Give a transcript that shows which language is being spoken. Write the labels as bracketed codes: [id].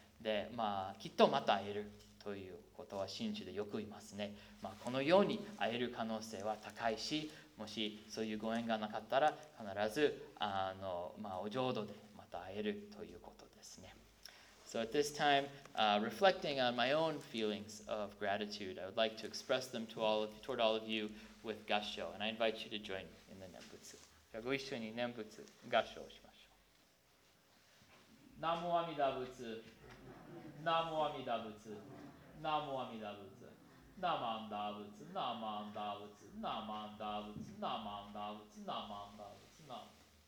[ja] で、まあ、きっとまた会えるということは信じてよく言いますね。まあ、このように会える可能性は高いし、もしそういうご縁がなかったら必ずまあ、お浄土でまた会えるということですね。 [en] So at this time, reflecting on my own feelings of gratitude, I would like to express them toward all of you with Gassho, and I invite you to join me in the Nembutsu. [ja] じゃあご一緒に Nembutsu Gassho をしましょう。ナモアミダブツ、ナモアミダブツ、ナモアミダブツ、ナマンダブツ、ナマンダブツ、ナマンダブツ、ナマンダブツ、ナマンダブツ、ナマンダブツ。